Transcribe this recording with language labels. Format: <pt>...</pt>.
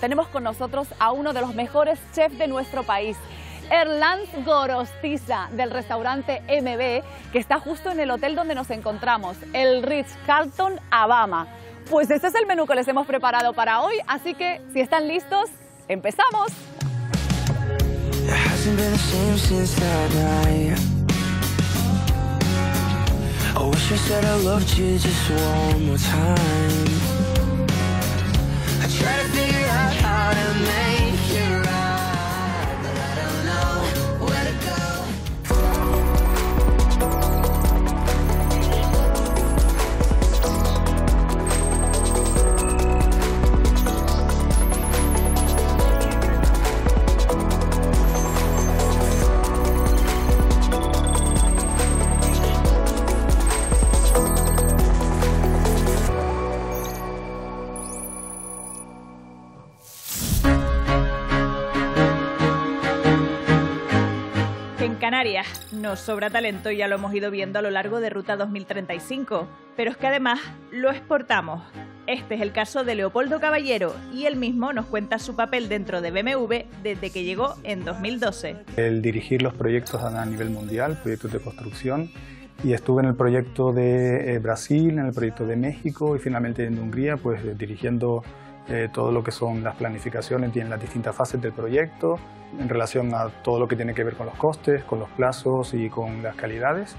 <es>Tenemos con nosotros a uno de los mejores chefs de nuestro país, Erlanz Gorostiza, del restaurante MB, que está justo en el hotel donde nos encontramos, el Ritz-Carlton Avama. Pues este es el menú que les hemos preparado para hoy, así que si están listos, ¡empezamos!</es> <en>Hasn't been the same since that night. I wish I said I loved you just one more time. I try to figure out how to make you right, but I don't know where to</en> <es>Canarias. Nos sobra talento y ya lo hemos ido viendo a lo largo de Ruta 2035, pero es que además lo exportamos. Este es el caso de Leopoldo Caballero y él mismo nos cuenta su papel dentro de BMW desde que llegó en 2012. El dirigir los proyectos a nivel mundial, proyectos de construcción, y estuve en el proyecto de Brasil, en el proyecto de México y finalmente en Hungría, pues dirigiendo todo lo que son las planificaciones y en las distintas fases del proyecto en relación a todo lo que tiene que ver con los costes, con los plazos y con las calidades.</es>